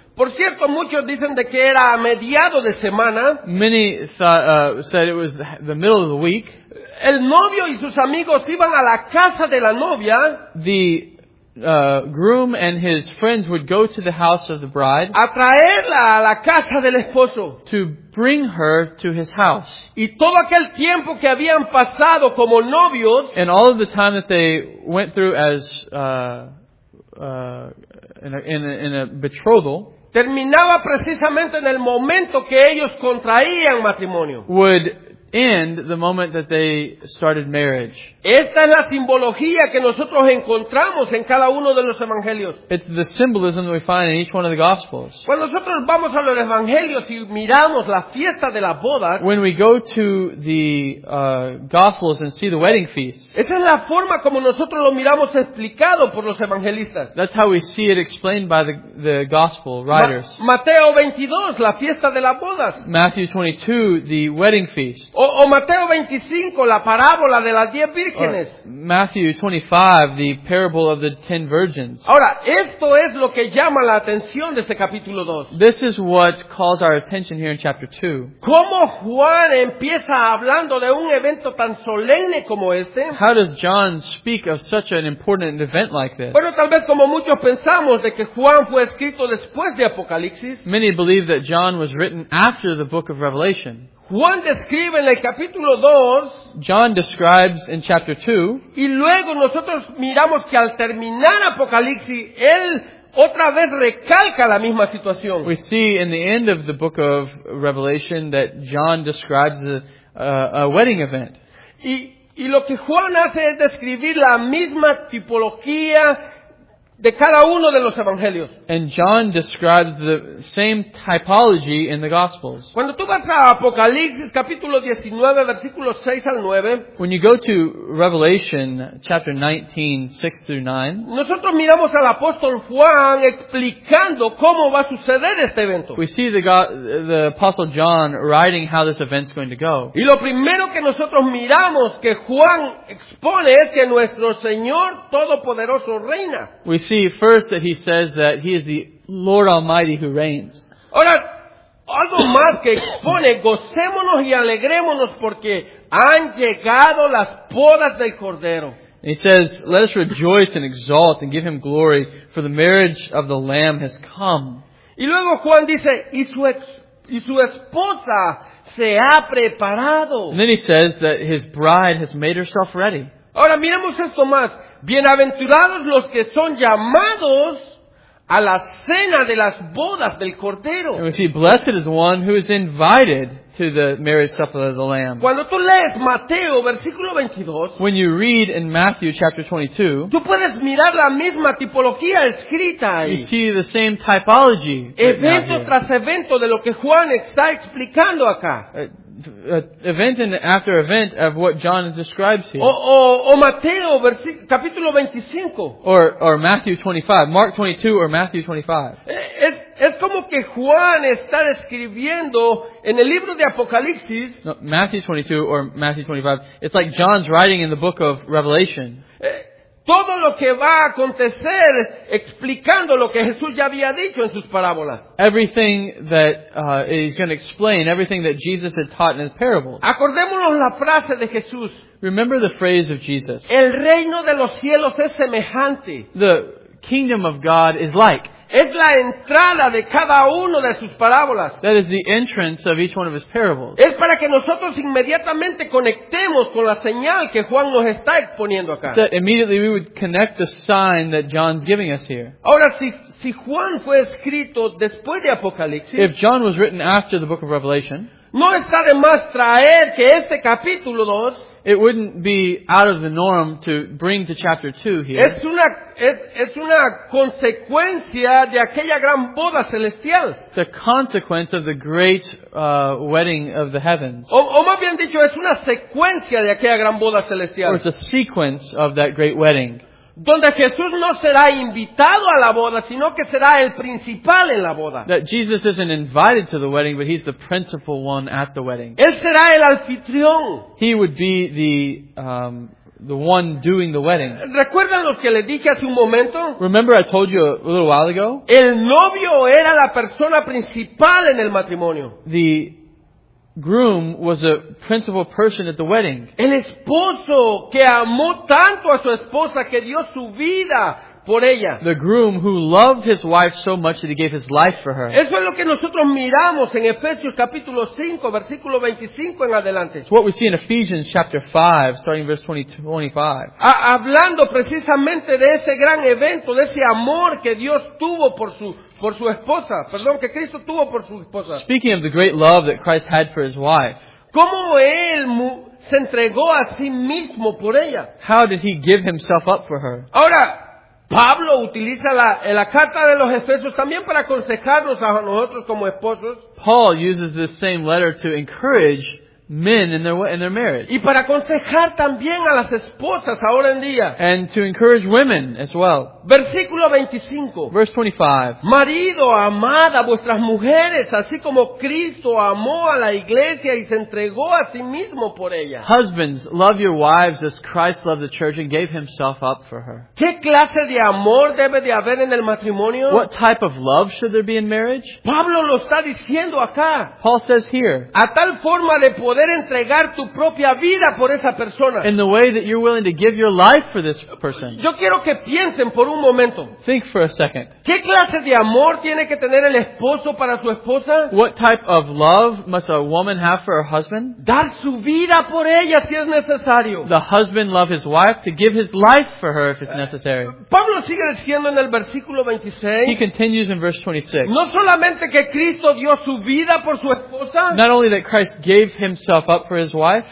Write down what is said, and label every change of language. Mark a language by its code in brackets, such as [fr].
[es] Por cierto, muchos dicen de que era a mediados de semana. [en] Many said it was the middle of the week. [es] El novio y sus amigos iban a la casa de la novia. [en] The groom and his friends would go to the house of the bride. [es] A traerla a la casa del esposo. [en] To bring her to his house. [es] Y todo aquel tiempo que habían pasado como novios. [en] And all of the time that they went through as in a betrothal. [es] Terminaba precisamente en el momento que ellos contraían matrimonio. [en] Would end the moment that they started marriage. [es] Esta es la simbología que nosotros encontramos en cada uno de los evangelios. [en] It's the symbolism we find in each one of the gospels. [es] Cuando nosotros vamos a los evangelios y miramos la fiesta de las bodas, [en] when we go to the gospels and see the wedding feasts, [es] esa es la forma como nosotros lo miramos explicado por los evangelistas. [en] That's how we see it explained by the gospel writers. [es] Mateo 22, la fiesta de las bodas. [en] Matthew 22, the wedding feast. [es] O Mateo 25, la parábola de las 10 vírgenes. [en] Matthew 25, the parable of the 10 virgins. [es] Ahora, esto es lo que llama la atención de este capítulo 2. [en] This is what calls our attention here in chapter 2. [es] ¿Cómo Juan empieza hablando de un evento tan solemne como este? [en] How does John speak of such an important event like this? [es] Bueno, tal vez como muchos pensamos de que Juan fue escrito después de Apocalipsis. [en] Many believe that John was written after the book of Revelation. [es] Juan describe en el capítulo 2. [en] John describes in chapter 2. [es] Y luego nosotros miramos que al terminar Apocalipsis, él otra vez recalca la misma situación. [en] We see in the end of the book of Revelation that John describes a wedding event. [es] Y lo que Juan hace es describir la misma tipología de cada uno de los evangelios. [en] And John describes the same typology in the Gospels. [es] Cuando tú vas a Apocalipsis, capítulo 19, versículos 6 al 9, [en] when you go to Revelation, chapter 19, 6 through 9, [es] nosotros miramos al apóstol Juan explicando cómo va a suceder este evento. [en] We see the apostle John writing how this event's going to go. [es] Y lo primero que nosotros miramos que Juan expone es que nuestro Señor Todopoderoso reina. [en] We see first that he says that he is the Lord Almighty who reigns. [es] Ahora, algo más que expone, gocémonos y alegrémonos porque han llegado las bodas del Cordero. [en] He says, let us rejoice and exalt and give him glory, for the marriage of the Lamb has come. [es] Y luego Juan dice, y su esposa se ha preparado. [en] And then he says that his bride has made herself ready. [es] Ahora, miremos esto más. Bienaventurados los que son llamados a la cena de las bodas del Cordero. [en] And we see, blessed is one who is invited to the marriage supper of the Lamb. [es] Cuando tú lees Mateo, versículo 22, [en] when you read in Matthew, chapter 22, [es] tú puedes mirar la misma tipología escrita ahí. [en] You see the same typology. [es] Evento tras evento de lo que Juan está explicando acá. [en] Event and after event of what John describes here. [es] O Mateo, capítulo 25. [en] Or Matthew 25. Mark 22 or Matthew 25. [es] Es como que Juan está escribiendo en el libro de Apocalipsis. [en] No, Matthew 22 or Matthew 25. It's like John's writing in the book of Revelation. [es] Todo lo que va a acontecer explicando lo que Jesús ya había dicho en sus parábolas. [en] Everything that he's going to explain, everything that Jesus had taught in his parables. [es] Acordémonos la frase de Jesús. [en] Remember the phrase of Jesus. [es] El reino de los cielos es semejante. [en] The kingdom of God is like. [es] Es la entrada de cada uno de sus parábolas. [en] That is the entrance of each one of his parables. [es] Es para que nosotros inmediatamente conectemos con la señal que Juan nos está exponiendo acá. [en] That immediately we would connect the sign that John's giving us here. [es] Ahora, si Juan fue escrito después de Apocalipsis, [en] if John was written after the book of Revelation, [es] no está de más traer que este capítulo 2, [en] it wouldn't be out of the norm to bring to chapter 2 here. [es] Es una consecuencia de aquella gran boda celestial. [en] The consequence of the great wedding of the heavens. [es] O más bien dicho, es una secuencia de aquella gran boda celestial. [en] Or it's a sequence of that great wedding. [es] Donde Jesús no será invitado a la boda, sino que será el principal en la boda. [en] That Jesus isn't invited to the wedding, but he's the principal one at the wedding. [es] Él será el anfitrión. [en] He would be the one doing the wedding. [es] ¿Recuerdan lo que le dije hace un momento? [en] Remember I told you a little while ago? [es] El novio era la persona principal en el matrimonio. [en] The groom was a principal person at the wedding. [es] El esposo que amó tanto a su esposa que dio su vida por ella. [en] The groom who loved his wife so much that he gave his life for her. [es] Eso es lo que nosotros miramos en Efesios capítulo 5, versículo 25 en adelante. [en] It's what we see in Ephesians chapter 5, starting verse 20, 25. [es] Hablando precisamente de ese gran evento, de ese amor que Dios tuvo por su esposa, perdón, que Cristo tuvo por su esposa. [en] Speaking of the great love that Christ had for his wife. [es] ¿Cómo él se entregó a sí mismo por ella. [en] How did he give himself up for her? [es] Ahora, Pablo utiliza la carta de los Efesios también para aconsejarnos a nosotros como esposos. [en] Paul uses this same letter to encourage men in their marriage. [es] Y para aconsejar también a las esposas ahora en día. [en] And to encourage women as well. [es] Versículo 25. [en] Verse 25. [es] Marido, amad a vuestras mujeres, así como Cristo amó a la iglesia y se entregó a sí mismo por ella. [en] Husbands, love your wives as Christ loved the church and gave himself up for her. [es] ¿Qué clase de amor debe de haber en el matrimonio? [en] What type of love should there be in marriage? [es] Pablo lo está diciendo acá. [en] Paul says here. [es] A tal forma de poder entregar tu propia vida por esa persona. [en] In the way that you're willing to give your life for this person. [es] Yo quiero que piensen por un momento. [en] Think for a second. [es] ¿Qué clase de amor tiene que tener el esposo para su esposa? [en] What type of love must a woman have for her husband? [es] Dar su vida por ella si es necesario. [en] The husband love his wife to give his life for her if it's necessary. [es] Pablo sigue diciendo en el versículo 26. [en] He continues in verse 26. [es] No solamente que Cristo dio su vida por su esposa. [en] Not only that Christ gave himself up for his wife,